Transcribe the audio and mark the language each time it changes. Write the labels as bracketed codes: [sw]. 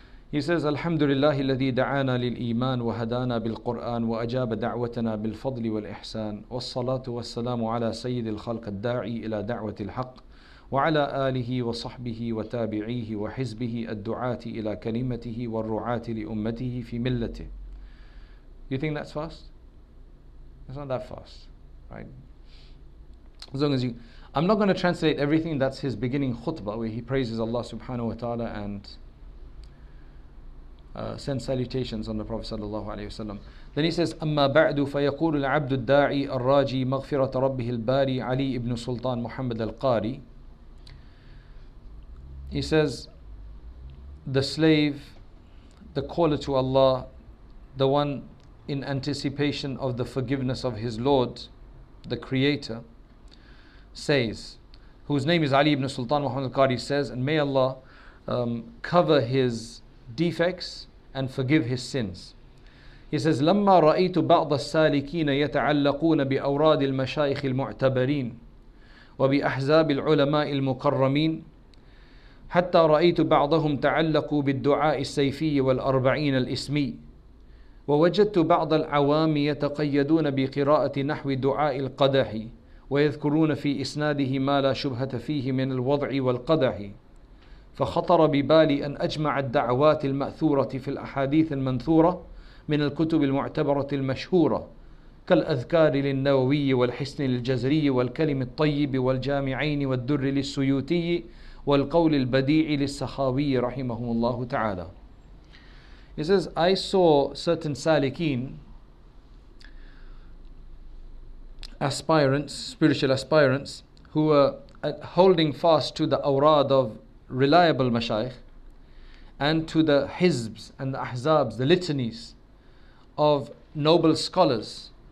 [en] He says, [ar] Alhamdulillahi alladhi da'ana lil iman wa hadana bil Qur'an wa ajaba da'watana bil fadli wal ihsan wa salatu wa salamu ala sayyidil khalq al-da'i ila da'watil haqq وعلى آله وصحبه وتابعيه وحزبه الدعاة إلى كلمته والرعاة لأمته في ملته. [en] You think that's fast? It's not that fast, right? As long as you... I'm not going to translate everything. That's his beginning khutbah, where he praises Allah subhanahu wa ta'ala and sends salutations on the Prophet sallallahu alayhi wa sallam. Then he says, [ar] أما بعد فيقول العبد الداعي الراجي مغفرة ربه الباري علي ابن سلطان محمد القاري. [en] He says, the slave, the caller to Allah, the one in anticipation of the forgiveness of his Lord, the Creator, says, whose name is Ali ibn Sultan Muhammad al-Qari, says, and may Allah cover his defects and forgive his sins. He says, [ar] لما رأيت بعض السالكين يتعلقون بأوراد المشايخ المعتبرين وبأحزاب العلماء المكرمين حتى رأيت بعضهم تعلقوا بالدعاء السيفي والأربعين الإسمي ووجدت بعض العوام يتقيدون بقراءة نحو دعاء القدح ويذكرون في إسناده ما لا شبهة فيه من الوضع والقدح فخطر ببالي أن أجمع الدعوات المأثورة في الأحاديث المنثورة من الكتب المعتبرة المشهورة كالأذكار للنووي والحسن الجزري والكلم الطيب والجامعين والدر للسيوتي والقول البديع للسخاوي رحمه الله تعالى. [en] He says, I saw certain salikin, aspirants, spiritual aspirants, who were holding fast to the awrad of reliable mashaykh and to the hizbs and the ahzabs, the litanies of noble scholars.